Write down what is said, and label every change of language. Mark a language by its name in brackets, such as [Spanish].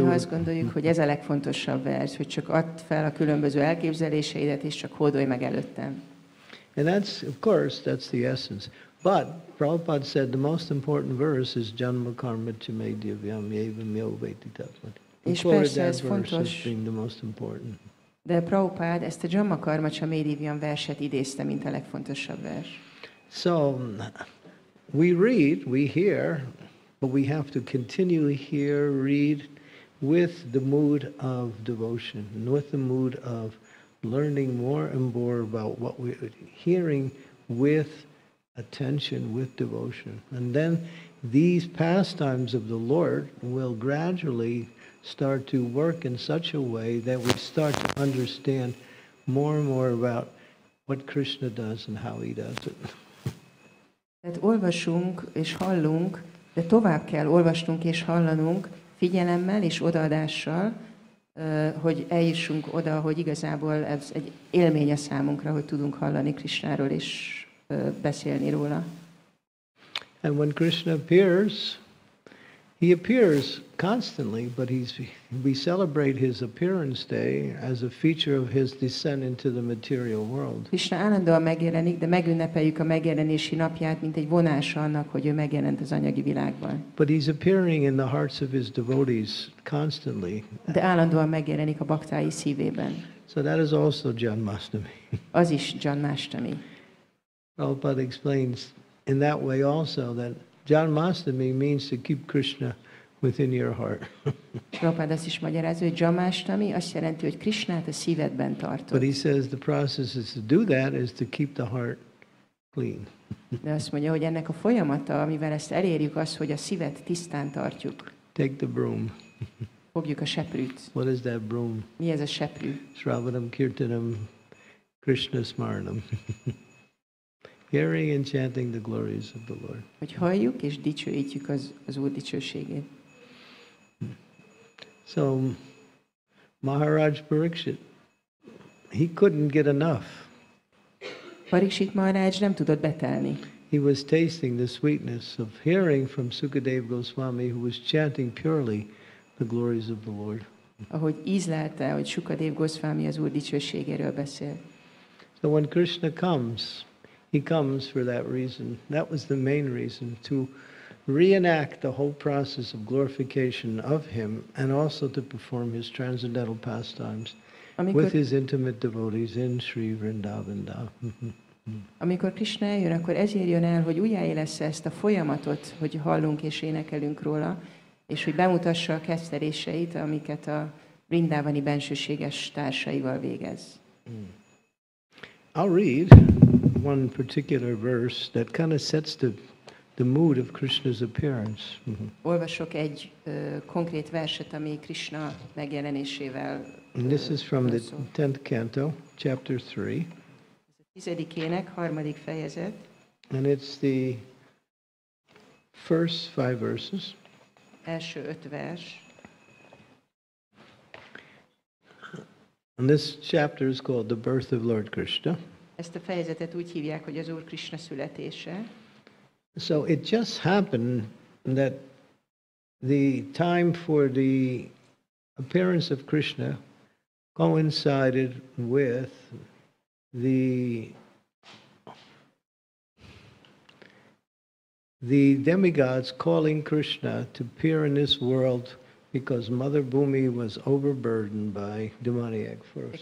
[Hungarian] Néha azt gondoljuk, hogy ez a legfontosabb vers, hogy csak add fel a különböző elképzeléseidet, és csak hódolj meg előttem. [English] And that's, of course, that's the essence. But Prabhupada said the most important verse is [Sanskrit] janma karma ca me divyam evam yo veti tatvat. [Hungarian] És persze ez fontos. [English] The most important. [Hungarian] De Prabhupada ezt a [Sanskrit] janma karma ca me divyam [Hungarian] verset idézte, mint a legfontosabb vers. [English] So we read, we hear, but we have to continually hear, read with the mood of devotion, and with the mood of learning more and more about what we're hearing with attention, with devotion. And then these pastimes of the Lord will gradually start to work in such a way that we start to understand more and more about what Krishna does and how he does it. [Hungarian] Tehát olvasunk és hallunk, de tovább kell olvasnunk és hallanunk figyelemmel és odaadással, hogy eljussunk oda, hogy igazából ez egy élmény a számunkra, hogy tudunk hallani Krishnáról és beszélni róla. [English] And when Krishna appears, he appears constantly, but we celebrate his appearance day as a feature of his descent into the material world. [Hungarian] Krishna állandóan megjelenik, de megünnepeljük a megjelenési napját, mint egy vonása annak, hogy ő megjelent az anyagi világban. [English] But he's appearing in the hearts of his devotees constantly. [Hungarian] De állandóan megjelenik a baktái szívében. [English] So that is also Janmastami. [Hungarian] Az is Janmastami. [English] Prabhupada explains in that way also that Janmastami means to keep Krishna within your heart. [Hungarian] Prabhupada azt is magyarázza, hogy Janmastami azt jelenti, hogy Krishnát a szívedben tartod. [English] But he says the process is to do that is to keep the heart clean. [Hungarian] De azt mondja, hogy ennek a folyamata, amivel ezt elérjük, az, hogy a szívet tisztán tartjuk. [English] Take the broom. [Hungarian] Fogjuk a seprűt. [English] What is that broom? [Hungarian] Mi ez a seprű? [Sanskrit] Shravanam Kirtanam Krishna Smaranam. [English] Hearing and chanting the glories of the Lord. [Hungarian] Hogy halljuk és dicsőítjük az Úr dicsőségét. [English] So Maharaj Parikshit, he couldn't get enough. [Hungarian] Parikshit Maharaj nem tudott betelni. [English] He was tasting the sweetness of hearing from Sukadeva Goswami, who was chanting purely the glories of the Lord. [Hungarian] Ahogy ízlelte, hogy Sukadeva Goswami az Úr dicsőségéről beszél. [English] So when Krishna comes, he comes for that reason. That was the main reason, to reenact the whole process of glorification of him and also to perform his transcendental pastimes with his intimate devotees in Sri Vrindavan. [Hungarian] Amikor Krishna eljön, akkor ezért jön el, hogy újjáélesse ezt a folyamatot, hogy hallunk és énekelünk róla, és hogy bemutassa a keszteléseit, amiket a Vrindavani bensőséges társaival végez. [English] I'll read one particular verse that kind of sets the mood of Krishna's appearance. [Hungarian] Olvasok egy konkrét verset, ami Krishna megjelenésével. [English] This is from the 10th canto, chapter 3. [Hungarian] Ez a 10. ének harmadik fejezet. [English] And it's the first 5 verses. [Hungarian] Első 5 vers. [English] And this chapter is called The Birth of Lord Krishna. [Hungarian] Ezt a fejezetet úgy hívják, hogy az Úr Krishna születése. [English] So it just happened that the time for the appearance of Krishna coincided with the demigods calling Krishna to appear in this world because Mother Bhumi was overburdened by demoniac forces.